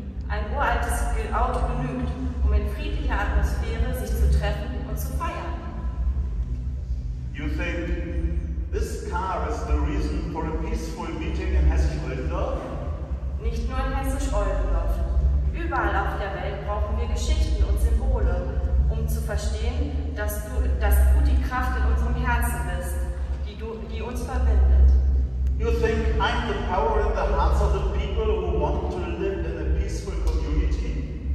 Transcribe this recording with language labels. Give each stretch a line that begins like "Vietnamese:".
German: Ein uraltes Auto genügt, um in friedlicher Atmosphäre sich zu treffen und zu feiern.
English: You think this car is the reason for a peaceful meeting in Hessisch Oldendorf?
German: Nicht nur in Hessisch Oldendorf. Überall auf der Welt brauchen wir Geschichten und Symbole, um zu verstehen, dass du die Kraft in unserem Herzen bist, die uns verbindet.
English: You think I'm the power in the hearts of the people who want to live in a peaceful community?